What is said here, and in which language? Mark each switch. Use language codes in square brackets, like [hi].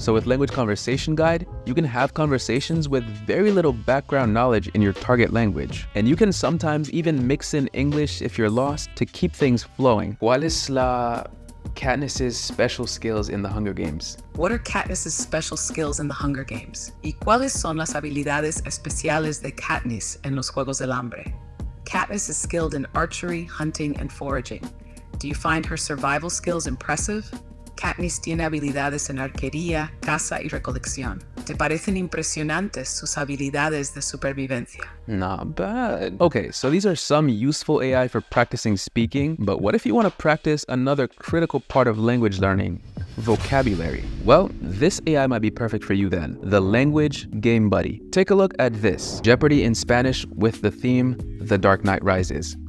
[en] So with Language Conversation Guide, you can have conversations with very little background knowledge in your target language. And you can sometimes even mix in English if you're lost to keep things flowing. [es] ¿Cuál es la [en] Katniss's special skills in the Hunger Games? What are Katniss's special skills in the Hunger Games? [es] ¿Y cuáles son las habilidades especiales de Katniss en los Juegos del Hambre? [en] Katniss is skilled in archery, hunting, and foraging. Do you find her survival skills impressive? [es] Katniss tiene habilidades en arquería, caza y recolección. ¿Te parecen impresionantes sus habilidades de supervivencia? [en] Not bad. Okay, so these are some useful AI for practicing speaking, but what if you want to practice another critical part of language learning? Vocabulary. Well, this AI might be perfect for you then. The Language Game Buddy. Take a look at this. Jeopardy in Spanish with the theme, The Dark Knight Rises.